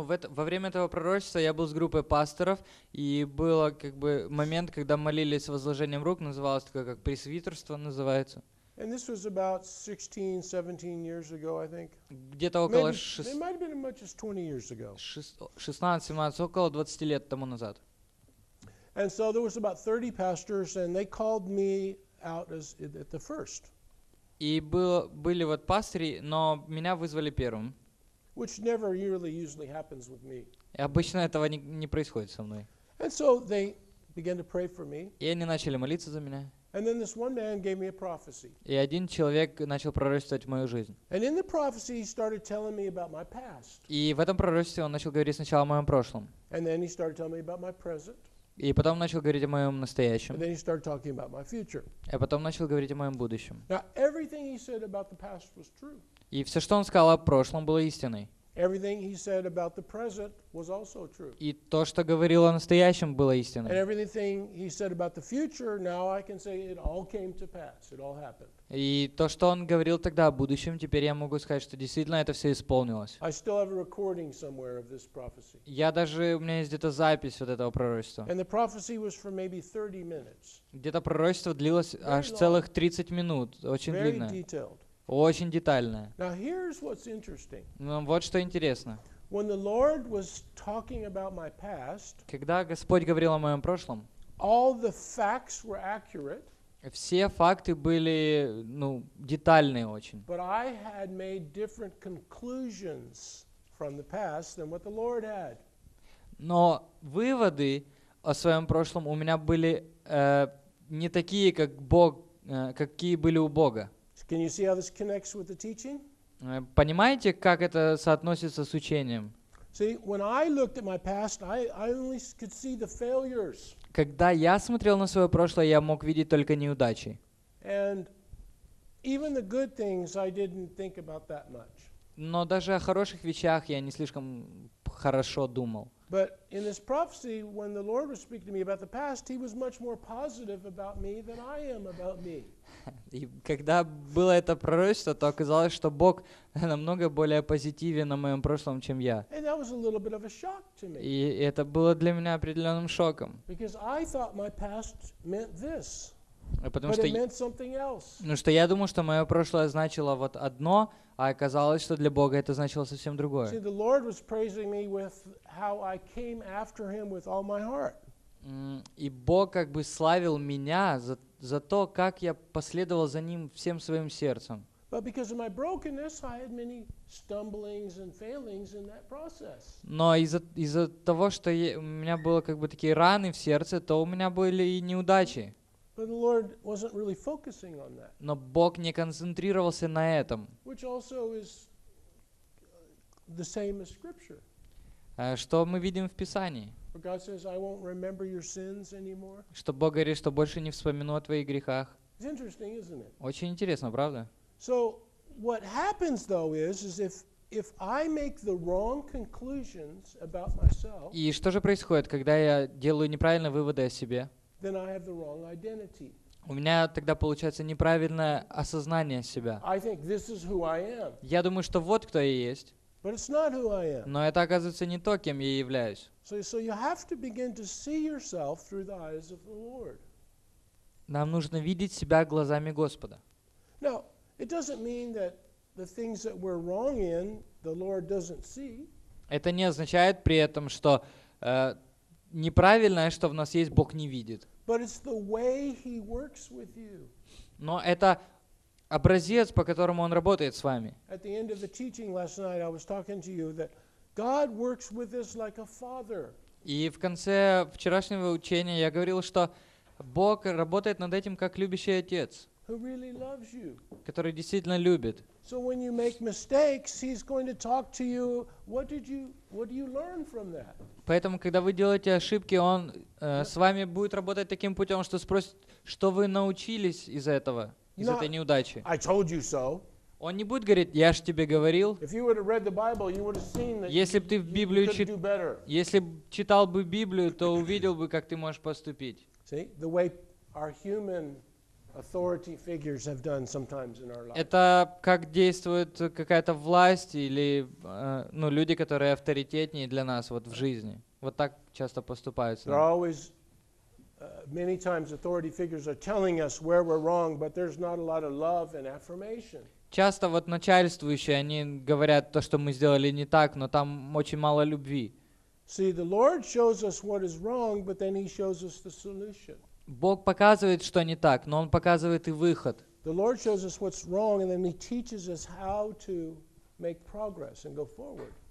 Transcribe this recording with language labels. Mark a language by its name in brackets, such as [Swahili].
[Russian] Во время этого пророчества я был с группой пасторов, и был как бы момент, когда молились с возложением рук, называлось такое, как пресвитерство называется. [English] And this was about 16-17 years ago, I think. [Russian] Где-то около 16-17, около 20 лет тому назад. [English] And so there was about 30 pastors, and they called me out as at the first. [Russian] И были вот пастыри, но меня вызвали первым. [English] Which never really usually happens with me. [Russian] Обычно этого не происходит со мной. [English] And so they began to pray for me. [Russian] И они начали молиться за меня. [English] And then this one man gave me a prophecy. [Russian] И один человек начал пророчествовать в мою жизнь. [English] And in the prophecy he started telling me about my past. [Russian] И в этом пророчестве он начал говорить сначала о моем прошлом. [English] And then he started telling me about my present. [Russian] И потом начал говорить о моем настоящем. [English] And then he started talking about my future. [Russian] И потом начал говорить о моем будущем. [English] Now everything he said about the past was true. [Russian] И все, что он сказал о прошлом, было истиной. [English] Everything he said about the present was also true. [Russian] И то, что говорил о настоящем, было истиной. [English] And everything he said about the future, now I can say it all came to pass. It all happened. [Russian] И то, что он говорил тогда о будущем, теперь я могу сказать, что действительно это все исполнилось. [English] I still have a recording somewhere of this prophecy. [Russian] У меня есть где-то запись вот этого пророчества. [English] And the prophecy was for maybe 30 minutes. [Russian] Где-то пророчество длилось аж целых 30 минут. Очень длинное. [English] Very detailed. [Russian] Очень детальное. [English] Now here's what's interesting. [Russian] Ну, вот что интересно. [English] When the Lord was talking about my past, [Russian] когда Господь говорил о моем прошлом, [English] all the facts were accurate. [Russian] Все факты были, ну, детальные очень. [English] But I had made different conclusions from the past than what the Lord had. [Russian] Но выводы о своем прошлом у меня были не такие, как Бог, какие были у Бога. [English] Can you see how this connects with the teaching? [Russian] Понимаете, как это соотносится с учением? [English] See, when I looked at my past, I only could see the failures. [Russian] Когда я смотрел на свое прошлое, я мог видеть только неудачи. [English] And even the good things I didn't think about that much. [Russian] Но даже о хороших вещах я не слишком хорошо думал. [English] But in this prophecy, when the Lord was speaking to me about the past, he was much more positive about me than I am about me. [Russian] И когда было это пророчество, то оказалось, что Бог намного более позитивен на моем прошлом, чем я. [English] And that was a little bit of a shock to me. [Russian] И это было для меня определенным шоком. [English] Because I thought my past meant this. [Russian] Потому что, ну, что я думал, что мое прошлое значило вот одно, а оказалось, что для Бога это значило совсем другое. [English] See, the Lord was praising me with how I came after him with all my heart. [Russian] И Бог как бы славил меня за то, как я последовал за ним всем своим сердцем. [English] But because of my brokenness, I had many stumblings and failings in that process. [Russian] Но из-за того, что у меня было как бы такие раны в сердце, то у меня были и неудачи. [English] But the Lord wasn't really focusing on that. [Russian] Но Бог не концентрировался на этом. [English] Which also is the same as Scripture. [Russian] Что мы видим в Писании? [English] Where God says, "I won't remember your sins anymore." [Russian] Что Бог говорит, что больше не вспомину о твоих грехах. [English] It's interesting, isn't it? [Russian] Очень интересно, правда? [English] So what happens though is if I make the wrong conclusions about myself. [Russian] И что же происходит, когда я делаю неправильные выводы о себе? [English] Then I have the wrong identity. [Russian] У меня тогда получается неправильное осознание себя. [English] I think this is who I am. [Russian] Я думаю, что вот кто я есть. [English] But it's not who I am. [Russian] Но это оказывается не то, кем я являюсь. [English] So you have to begin to see yourself through the eyes of the Lord. [Russian] Нам нужно видеть себя глазами Господа. [English] Now, it doesn't mean that the things that we're wrong in, the Lord doesn't see. [Russian] Это не означает при этом, что неправильное, что в нас есть, Бог не видит. [English] But it's the way he works with you. [Russian] Но это образец, по которому он работает с вами. [English] At the end of the teaching last night, I was talking to you that God works with us like a father. [Russian] И в конце вчерашнего учения я говорил, что Бог работает над этим как любящий отец, [English] who really loves you. [Russian] Который действительно любит. [English] So when you make mistakes, he's going to talk to you. What do you learn from that? [Russian] Поэтому, когда вы делаете ошибки, он с вами будет работать таким путем, что спросит, что вы научились из этого, из этой неудачи. [English] I told you so. [Russian] Он не будет говорить, я же тебе говорил. [English] If you would have read the Bible, you would have seen that. [Russian] Если бы ты в Библию если читал бы Библию, то увидел бы, как ты можешь поступить. [English] See the way our human authority figures have done sometimes in our lives. [Russian] Это как действует какая-то власть или ну люди, которые авторитетнее для нас вот в жизни. Вот так часто поступают. [English] There are always many times authority figures are telling us where we're wrong, but there's not a lot of love and affirmation. [Russian] Часто вот начальствующие они говорят то, что мы сделали не так, но там очень мало любви. [English] See, the Lord shows us what is wrong, but then he shows us the solution. [Russian] Бог показывает, что не так, но Он показывает и выход. [English] The Lord shows us what's wrong, and then He teaches us how to make progress and go forward.